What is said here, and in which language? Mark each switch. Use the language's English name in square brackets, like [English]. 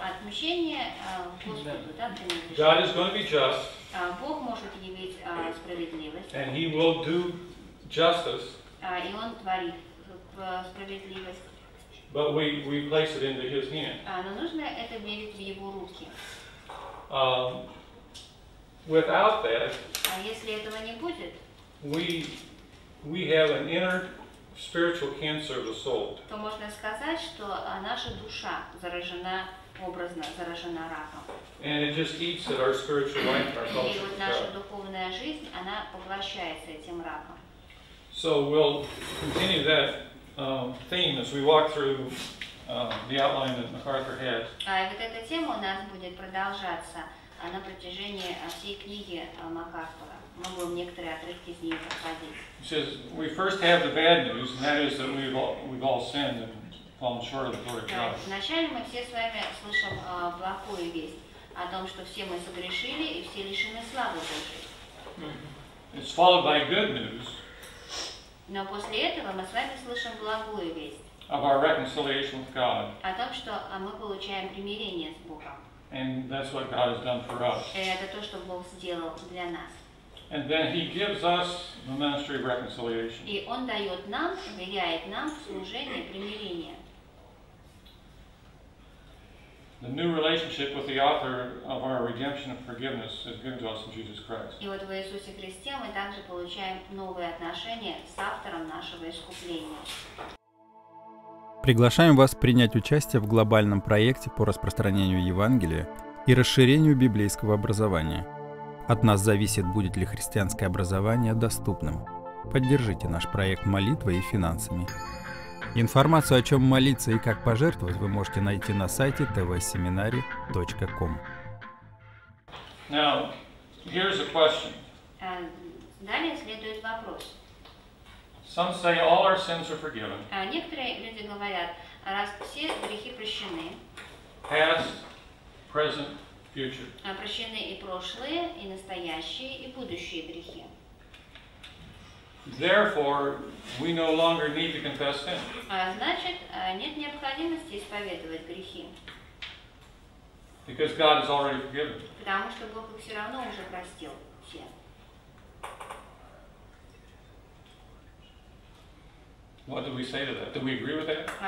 [Russian] Отмщение Господу, да, принадлежит. [English] God is going to be just. [Russian] Бог может явить справедливость. [English] And he will do justice. [Russian] И он творит справедливость. [English] But we place it into his hand. [Russian] Но нужно это верить в его руки. [English] Without that. [Russian] А если этого не будет? [English] We have an inner spiritual cancer of the soul. [Russian] То можно сказать, что наша душа заражена образно, заражена раком. [English] And it just eats at our spiritual life, our culture. [Russian] И вот наша духовная жизнь, она поглощается этим раком. [English] So we'll continue that theme as we walk through the outline that MacArthur had. [Russian] И вот эта тема у нас будет продолжаться на протяжении всей книги MacArthur. Мы будем некоторые отрывки из нее проходить. [English] He says we first have the bad news, and that is that we've all sinned and fallen short of the glory of God. [Russian] Вначале мы все с вами слышим плохую весть о том, что все мы согрешили и все лишены славы Божьей. [English] It's followed by good news. [Russian] Но после этого мы с вами слышим благую весть. [English] Of our reconciliation with God. [Russian] О том, что мы получаем примирение с Богом. [English] And that's what God has done for us. [Russian] И это то, что Бог сделал для нас. [English] And then he gives us the ministry of reconciliation. [Russian] И он дает нам, вверяет нам служение примирения. [English] The new relationship with the author of our redemption and forgiveness is given to us in Jesus Christ. [Russian] И вот в Иисусе Христе мы также получаем новые отношения с автором нашего искупления. Приглашаем вас принять участие в глобальном проекте по распространению Евангелия и расширению библейского образования. От нас зависит, будет ли христианское образование доступным. Поддержите наш проект молитвой и финансами. Информацию, о чем молиться и как пожертвовать, вы можете найти на сайте tvseminary.com. [English] Now, here's a question. [Russian] Далее следует вопрос. [English] Some say all our sins are forgiven. [Russian] Некоторые люди говорят, раз все грехи прощены, [English] past, present, future. [Russian] Прощены и прошлые, и настоящие, и будущие грехи. [English] Therefore, we no longer need to confess sin. [Russian] Значит, нет необходимости исповедовать грехи. [English] Because God has already forgiven. [Russian] Потому что Бог их все равно уже простил все. [English] What do we say to that? Do we agree with that?